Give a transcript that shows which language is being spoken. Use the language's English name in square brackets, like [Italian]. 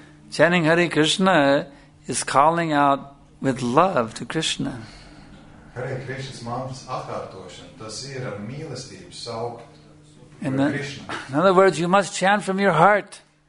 [English] Chanting Hare Krishna is calling out with love to Krishna. [Latvian] Hare Krishna's mantras atkārtošana, tas ir ar mīlestību saukt. [English] In other words, you must chant from your heart.